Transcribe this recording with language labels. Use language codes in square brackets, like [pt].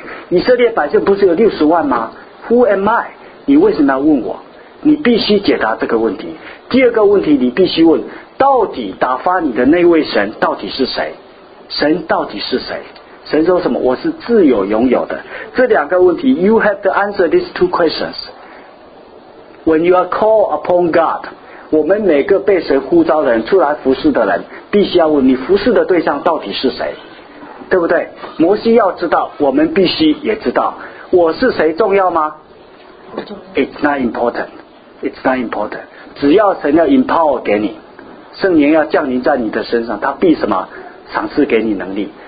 [zh] 以色列百姓不是有60万吗？ [en] Who am I， [zh] 你为什么要问我。你必须解答这个问题。第二个问题你必须问，到底打发你的那位神到底是谁，神到底是谁。神说什么？我是自有拥有的。这两个问题 [en] You have to answer these two questions when you are called upon God。 [zh] 我们每个被神呼召的人，出来服侍的人，必须要问你服侍的对象到底是谁，对不对？摩西要知道，我们必须也知道。我是谁重要吗？ [en] It's not important， It's not important。 [zh] 只要神要 empower 给你，圣灵要降临在你的身上，他必什么赏赐给你能力。